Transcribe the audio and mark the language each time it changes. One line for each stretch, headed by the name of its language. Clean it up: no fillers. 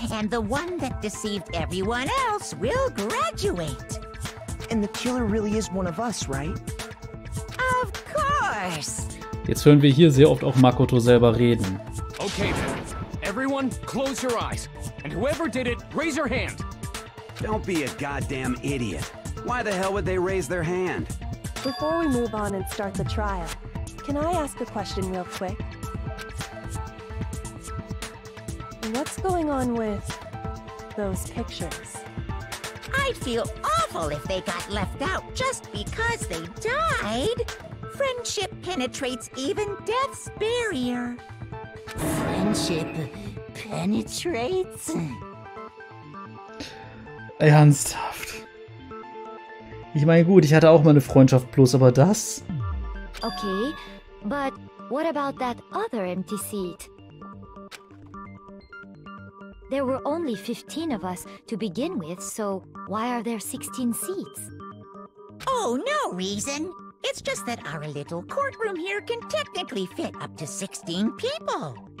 English: And the one that deceived everyone else will graduate. And the killer really is one of us, right? Of course.
German: Jetzt hören wir hier sehr oft auch Makoto selber reden.
English: Okay, then. Everyone, close your eyes. And whoever did it, raise your hand. Don't be a goddamn idiot. Why the hell would they raise their hand? Before we move on and start the trial, can I ask a question real quick? What's going on with those pictures? I'd feel awful if they got left out just because they died. Friendship penetrates even death's barrier. Friendship penetrates?
German: Ernsthaft. Ich meine, gut, ich hatte auch meine Freundschaft bloß, aber das?
English: Okay, but what about that other empty seat? There were only 15 of us to begin with, so why are there 16 seats? Oh, no reason. It's just that our little courtroom here can technically fit up to 16 people.